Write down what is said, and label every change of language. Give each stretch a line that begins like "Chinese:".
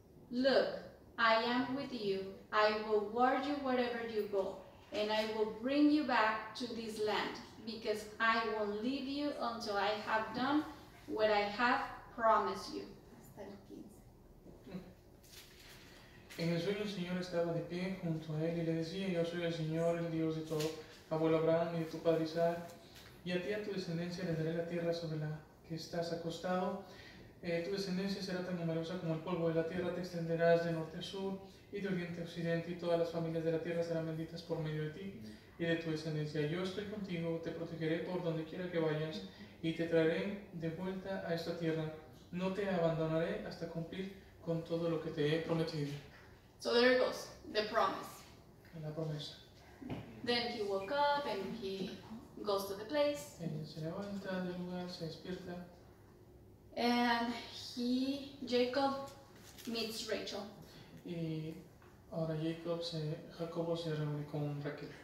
English: Look, I am with you. I will guard you wherever you go, and I will bring you back to this land, because I won't leave you until I have done what I have promised you.
Spanish: En el sueño el Señor estaba de pie junto a él y le decía, yo soy el Señor, el Dios de tu abuelo Abraham y de tu padre Isaac, y a ti y a tu descendencia le daré la tierra sobre la que estás acostado. Tu descendencia será tan numerosa como el polvo de la tierra, te extenderás de norte a sur y de oriente a occidente, y todas las familias de la tierra serán benditas por medio de ti y de tu descendencia. Yo estoy contigo, te protegeré por donde quiera que vayas y te traeré de vuelta a esta tierra. No te abandonaré hasta cumplir con todo lo que te he prometido.
English: So there it goes, the promise.
Spanish: La promesa.
English: Then he woke up and he goes to the place.
Spanish: Se levanta del lugar, se despierta.
English: And he, Jacob, meets Rachel.
Spanish: Y ahora Jacob se reúne con Raquel.